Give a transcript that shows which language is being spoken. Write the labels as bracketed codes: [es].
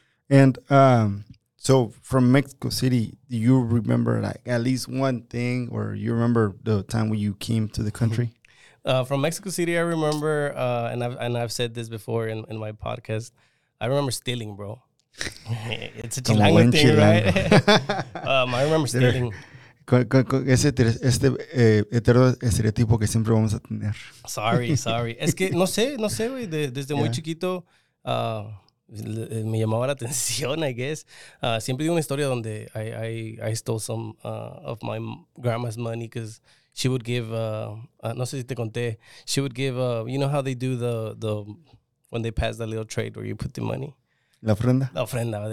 [en] And so from Mexico City, do you remember like at least one thing, or you remember the time when you came to the country? From Mexico City, I remember, and I've said this before in my podcast, I remember stealing, bro. It's a Chilango thing, Chilango. Right? I remember stealing. [es] Ese eterno estereotipo que siempre vamos a tener. [en] Sorry. [es] Es que no sé, güey, desde muy chiquito... me llamaba la atención, [en] I guess. [es] Siempre digo una historia donde [en] I stole some of my grandma's money, because she would give, [es] no sé si te conté, [en] she would give, you know how they do the when they pass the little trade where you put the money? [es] La ofrenda,